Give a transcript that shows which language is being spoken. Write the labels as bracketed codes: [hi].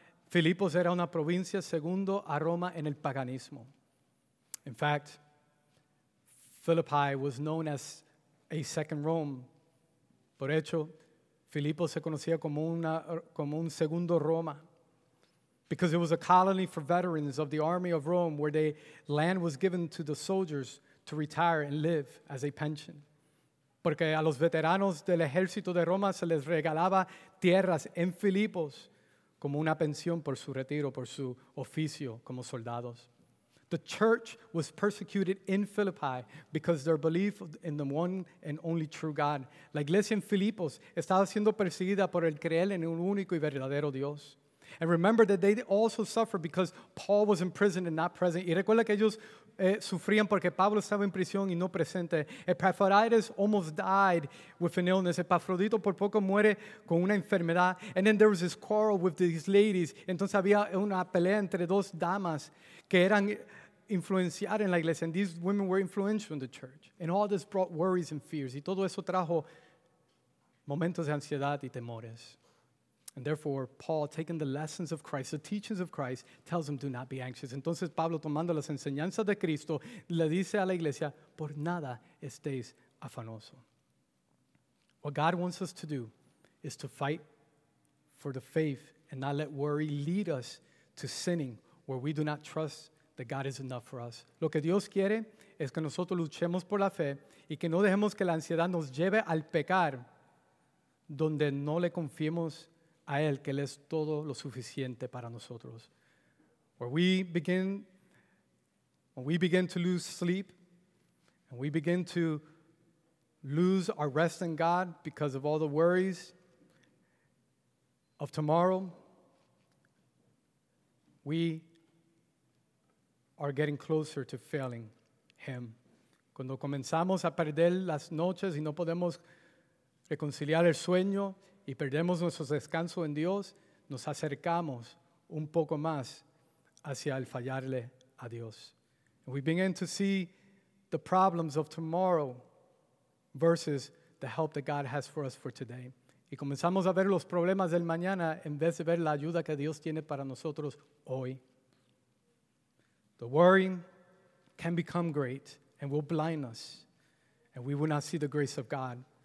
[es] Filipos era una provincia segundo a Roma en el paganismo. [en] In fact, Philippi was known as a second Rome. [es] Por hecho, Filipos se conocía como un segundo Roma. [en] Because it was a colony for veterans of the army of Rome where the land was given to the soldiers to retire and live as a pension. [es] Porque a los veteranos del ejército de Roma se les regalaba tierras en Filipos como una pensión por su retiro, por su oficio como soldados. [en] The church was persecuted in Philippi because their belief in the one and only true God. [es] La iglesia en Filipos estaba siendo perseguida por el creer en un único y verdadero Dios. [en] And remember that they also suffered because Paul was in prison and not present. [es] Y recuerda que ellos sufrían porque Pablo estaba en prisión y no presente. [en] Epaphroditus almost died with an illness. [es] Epafrodito por poco muere con una enfermedad. [en] And then there was this quarrel with these ladies. [es] Entonces había una pelea entre dos damas que eran influenciar en la iglesia. [en] And these women were influential in the church. And all this brought worries and fears. [es] Y todo eso trajo momentos de ansiedad y temores. [en] And therefore, Paul, taking the lessons of Christ, the teachings of Christ, tells them, do not be anxious. [es] Entonces, Pablo, tomando las enseñanzas de Cristo, le dice a la iglesia, por nada estéis afanoso. [en] What God wants us to do is to fight for the faith and not let worry lead us to sinning where we do not trust that God is enough for us. [es] Lo que Dios quiere es que nosotros luchemos por la fe y que no dejemos que la ansiedad nos lleve al pecar donde no le confiemos a Él, que Él es todo lo suficiente para nosotros. [en] When we begin to lose sleep, and we begin to lose our rest in God because of all the worries of tomorrow, we are getting closer to failing Him. [es] Cuando comenzamos a perder las noches y no podemos reconciliar el sueño, y perdemos nuestro descanso en Dios, nos acercamos un poco más hacia el fallarle a Dios. [en] We begin to see the problems of tomorrow versus the help that God has for us for today. [es] Y comenzamos a ver los problemas del mañana en vez de ver la ayuda que Dios tiene para nosotros hoy. [en] The worry can become great and will blind us, and we will not see the grace of God.